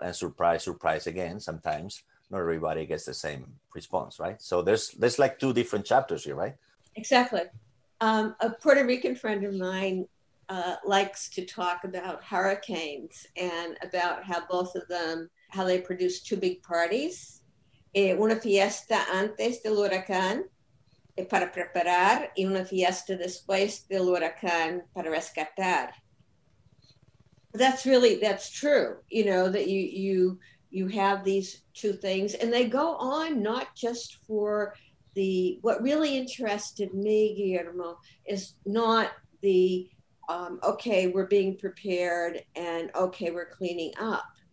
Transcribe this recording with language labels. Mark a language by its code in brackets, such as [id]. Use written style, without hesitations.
[en] And surprise, surprise again, sometimes not everybody gets the same response, right? So there's like two different chapters here, right? Exactly. A Puerto Rican friend of mine likes to talk about hurricanes and about how both of them, how they produce two big parties. [es] Una fiesta antes del huracán para preparar, y una fiesta después del huracán para rescatar. [en] That's true, you know, that you have these two things, and they go on not just for what really interested me, Guillermo, is not the okay, we're being prepared and okay, we're cleaning up.